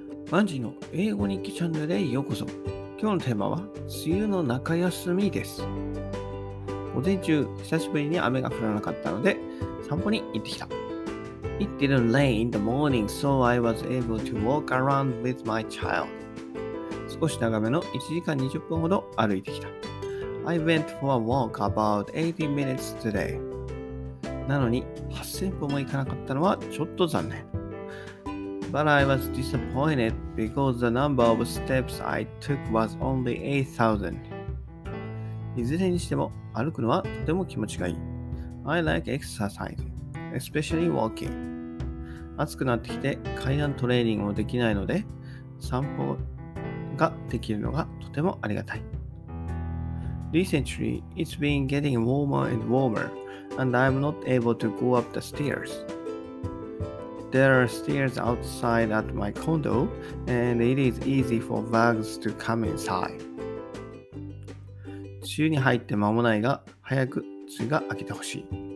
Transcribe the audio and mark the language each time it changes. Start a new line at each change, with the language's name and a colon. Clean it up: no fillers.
Japanese: マンジーの英語日記チャンネルへようこそ。今日のテーマは梅雨の中休みです。午前中久しぶりに雨が降らなかったので散歩に行ってきた。
English: It didn't rain in the morning, so I was able to walk around with my child.
Japanese: 少し長めの1時間20分ほど歩いてきた。
English: I went for a walk about 80 minutes today.
Japanese: なのに8000歩も行かなかったのはちょっと残念。
English: But I was disappointed because the number of steps I took was only 8,000.
Japanese: いずれにしても歩くのはとても気持ちがいい。
English: I like exercise, especially walking.
Japanese: 暑くなってきて階段トレーニングもできないので散歩ができるのがとてもありがたい。
English: Recently, it's been getting warmer and warmer, and I'm not able to go up the stairs. There are stairs outside at my condo, and it is easy for bugs to come inside.
Japanese: 梅雨に入って間もないが、早く梅雨が明けてほしい。